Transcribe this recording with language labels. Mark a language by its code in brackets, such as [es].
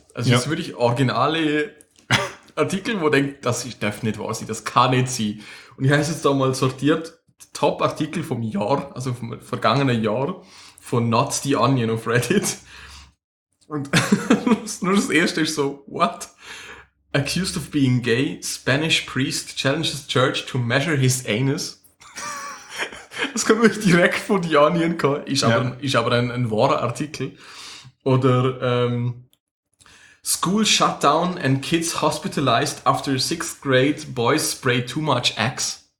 [de] Also es ist wirklich originale Artikel, wo denkt, das darf nicht wahr sein, das kann nicht sein. Und ich habe es jetzt da mal sortiert, Top-Artikel vom Jahr, also vom vergangenen Jahr, von Not the Onion auf Reddit. Und nur das erste ist so, what? [en] Accused of being gay, Spanish priest challenges church to measure his anus. [de] Das kommt wirklich direkt von The Onion, ist aber ein wahrer Artikel. [en] Oder School shutdown and kids hospitalized after sixth grade boys spray too much Axe.